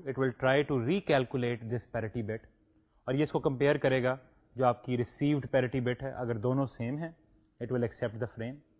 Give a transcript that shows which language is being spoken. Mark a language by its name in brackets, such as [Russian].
[English] It will try to recalculate this parity bit. [Urdu] اور یہ اس کو کمپیئر کرے گا جو آپ کی ریسیوڈ پیرٹی بٹ ہے. اگر دونوں سیم ہیں [English] It will accept the frame.